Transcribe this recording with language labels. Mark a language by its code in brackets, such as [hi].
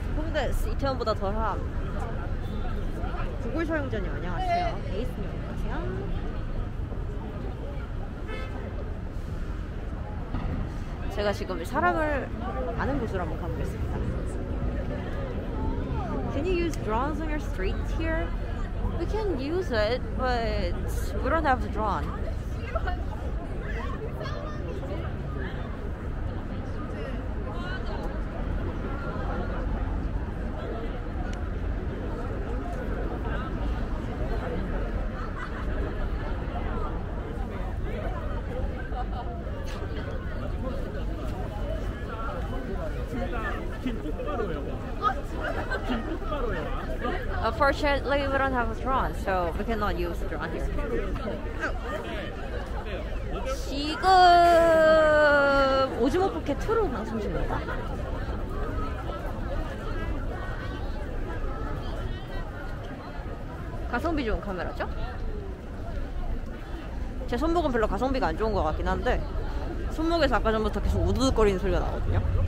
[ko] 홍대 이태원보다 더 사람. 구글 사용자님 안녕하세요. 에이스님 안녕하세요. 제가 지금 사람을 아는 곳으로 한번 가보겠습니다. [en] Can you use drones on your street here? We can use it, but we don't have the drone. [ko] 김포가로요. [en] Unfortunately, we don't have a drone, so we cannot use the drone here. [ko] 지금 오징어 포켓 2로 방송 중입니다. 가성비 좋은 카메라죠? 제 손목은 별로 가성비가 안 좋은 것 같긴 한데 손목에서 아까 전부터 계속 우두둑거리는 소리가 나거든요.